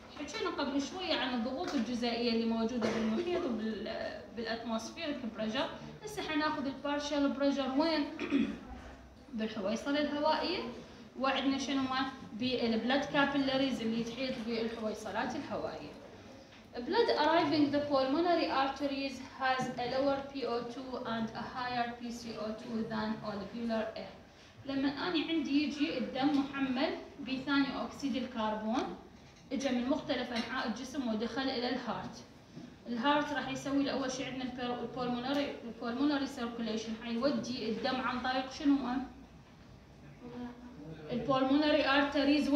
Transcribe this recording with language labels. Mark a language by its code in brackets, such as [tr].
[ar] حكينا قبل شويه عن الضغوط الجزيئيه اللي موجوده بالمحيط وبالاتموسفيرك بريشر، هسه حناخذ البارشل بريشر وين؟ بالحويصل الهوائيه، وعندنا شنو ما بالبلد كابيلاريز اللي تحيط بالحويصلات الهوائيه. [en] Blood arriving the pulmonary arteries has a lower PO2 and a higher PCO2 than alveolar air. [ar] لما أنا عندي يجي الدم محمل بثاني أكسيد الكربون، إجا من مختلف أنحاء الجسم ودخل إلى الهارت. الهارت راح يسوي الأول شيء عندنا البولموناري سيركوليشن، حيودي الدم عن طريق شنو؟ البولموناري أرتريز.